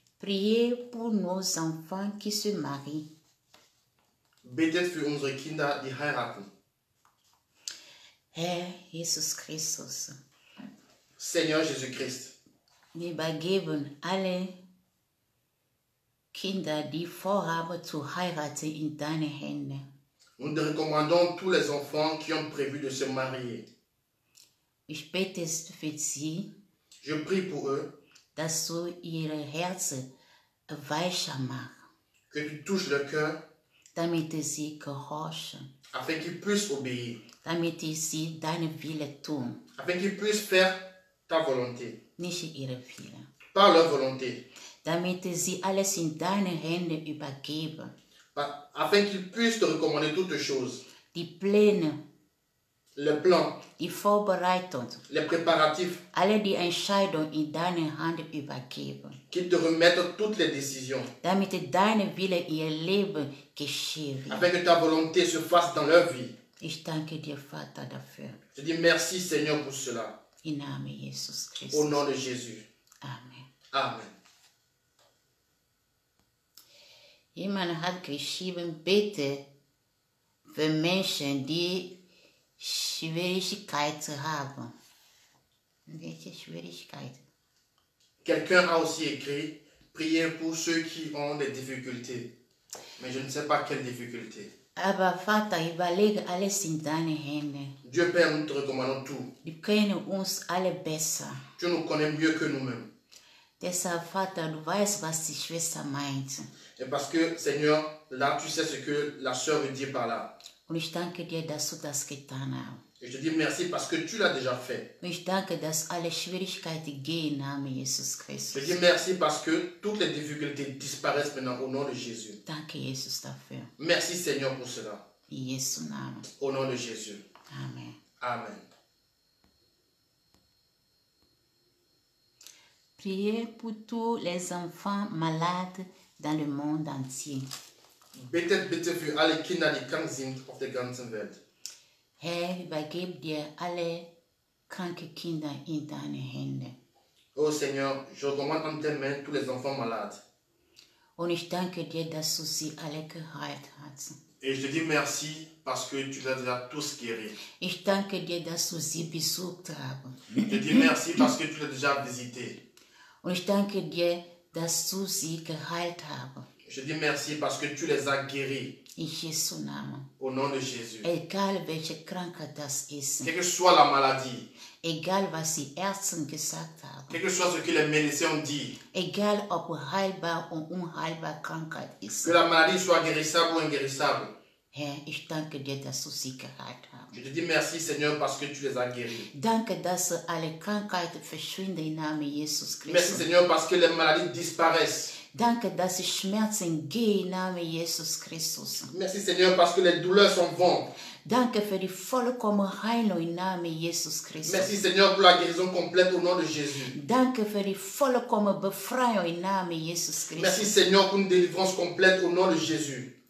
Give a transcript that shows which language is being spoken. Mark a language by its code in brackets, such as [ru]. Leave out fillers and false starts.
[fr] Priez pour nos enfants qui se marient. [de] Betet für unsere Kinder, die heiraten. Herr Jesus Christus. [fr] Seigneur Jésus Christ. [de] Wir übergeben alle Kinder, die vorhaben zu heiraten, in deine Hände. [fr] Nous te recommandons tous les enfants qui ont prévu de se marier. [de] Ich bete für sie. [fr] Je prie pour eux. [de] Dass du ihre Herzen weicher machst. [fr] Que tu touches leur cœur. [de] Damit sie gehorchen. [fr] Afin qu'ils puissent obéir. [de] Damit sie deine Wille tun. [fr] Afin qu'ils puissent faire ta volonté. [de] Nicht ihre Wille. [fr] Par leur volonté. [de] Damit sie alles in deine Hände übergeben. [fr] Afin qu'ils puissent te recommander toutes choses. [de] Die Pläne. [fr] Les plans. [de] Die Vorbereitung. [fr] Les préparatifs. [de] Alle die Entscheidung in deine Hand übergeben. [fr] Qu'ils te remettent toutes les décisions. [de] Damit deine Wille ihr Leben geschieht. [fr] Afin que ta volonté se fasse dans leur vie. [de] Ich danke dir, Vater, dafür. [fr] Je dis merci, Seigneur, pour cela. [de] In name Jesus Christ. [fr] Au nom de Jésus. [de] Amen. [fr] Amen. [de] Jemand hat geschrieben, bitte für Menschen, die Schwierigkeiten haben. Welche Schwierigkeiten? [fr] Quelqu'un a aussi écrit, priez pour ceux qui ont des difficultés. Mais je ne sais pas quelles difficultés. [de] Aber Vater, überlege alles in deine Hände. [fr] Dieu Père, nous te recommandons tout. [de] Du kennst uns alle besser. [fr] Tu nous connais mieux que nous-mêmes. [de] Deshalb, Vater, du weißt, was die Schwester meint. [fr] Et parce que, Seigneur, là, tu sais ce que la sœur me dit par là. [de] Und ich danke dir, dass du das getan hast. [fr] Et je te dis merci parce que tu l'as déjà fait. [de] Ich danke, dass alle Schwierigkeiten gehen, Name Jesus Christus. [fr] Je te dis merci parce que toutes les difficultés disparaissent maintenant au nom de Jésus. [de] Danke, Jesus, dafür. [fr] Merci, Seigneur, pour cela. [de] Jesus, Name. [fr] Au nom de Jésus. [de] Amen. [fr] Amen. Priez pour tous les enfants malades dans le monde entier. [de] Betet bitte für alle Kinder, die krank sind auf der ganzen Welt. Herr, übergib dir alle kranke Kinder in deine Hände. [fr] Oh Seigneur, je demande en tes mains tous les enfants malades. [de] Und ich danke dir, dass du sie alle geheilt hast. [fr] Et je te dis merci parce que tu les as tous guéris. [de] Ich danke dir, dass du sie besucht hast. [fr] Je te dis merci parce que tu les as déjà visités. [de] Und ich danke dir, dass du sie geheilt hast. [fr] Je dis merci parce que tu les as guéris. [de] In Jesu Namen. [fr] Au nom de Jésus. [de] Egal welche Krankheit das ist. [fr] Quelle que soit la maladie. [de] Egal was die Ärzte gesagt haben. [fr] Quelle que soit ce que les médecins ont dit. [de] Egal ob heilbar und unheilbar Krankheit ist. [fr] Que la maladie soit guérissable ou inguérissable. [de] Herr, ich danke dir, dass du sie geheilt hast. [fr] Je te dis merci, Seigneur, parce que tu les as guéris. [de] Danke, dass alle Krankheiten verschwinden im Namen Jesus Christus. [fr] Merci, Seigneur, parce que les maladies disparaissent. [de] Danke, dass die Schmerzen gehen im Namen Jesus Christus. [fr] Merci, Seigneur, parce que les douleurs s'en vont. [de] Danke für die vollkommene Heilung im Namen Jesus Christus. [fr] Merci, Seigneur, pour la guérison complète au nom de Jésus. [de] Danke für die vollkommene Befreiung im Namen Jesus Christus. [fr] Merci, Seigneur, pour une délivrance complète au nom de Jésus.